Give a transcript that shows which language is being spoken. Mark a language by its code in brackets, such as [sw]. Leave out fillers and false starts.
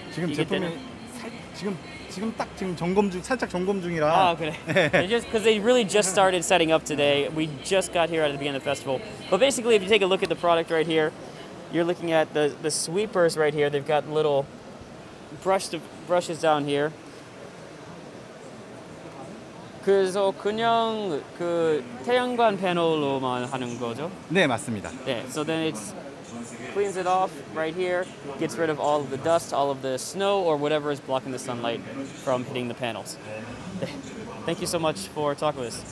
[ko] 지금 제품이 지금 딱 지금 점검 중 살짝 점검 중이라. 아 그래. [en] just because they really just started setting up today. We just got here at the beginning of the festival. But basically, if you take a look at the product right here, you're looking at the sweepers right here. They've got little brushes down here. [ko] 그래서 그냥 그 태양광 패널로만 하는 거죠? 네 맞습니다. 네. [en] So then it's cleans it off right here, gets rid of all of the dust, all of the snow, or whatever is blocking the sunlight from hitting the panels. Thank you so much for talking with us.